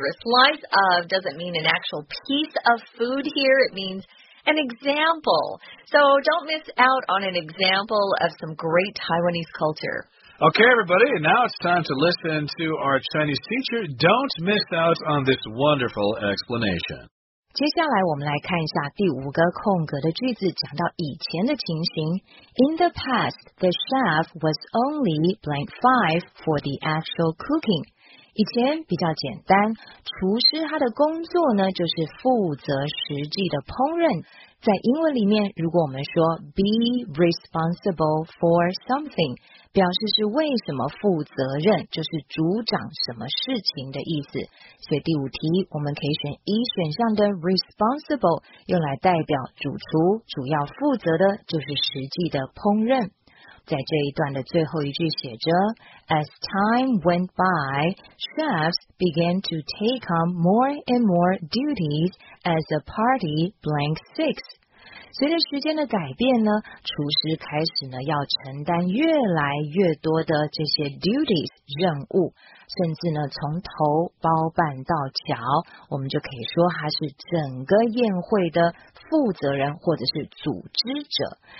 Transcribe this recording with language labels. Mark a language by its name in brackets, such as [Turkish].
[English] A slice of doesn't mean an actual piece of food here. It means an example. So don't miss out on an example of some great Taiwanese culture. Okay, everybody, now it's time to listen to our Chinese teacher. Don't miss out on this wonderful explanation. [Chinese] 接下来我们来看一下第五个空格的句子，讲到以前的情形。 [English] In the past, the chef was only blank five for the actual cooking. [Chinese] 以前比较简单，厨师他的工作呢，就是负责实际的烹饪。在英文里面，如果我们说 [English] be responsible for something， [Chinese] 表示是为什么负责任，就是主掌什么事情的意思。所以第五题，我们可以选一选项的 responsible， 用来代表主厨，主要负责的就是实际的烹饪。在这一段的最后一句写着 [English] ，As time went by, chefs began to take on more and more duties as the party blank six. [Chinese] 随着时间的改变呢，厨师开始呢要承担越来越多的这些 duties 任务，甚至呢从头包办到脚，我们就可以说他是整个宴会的负责人或者是组织者。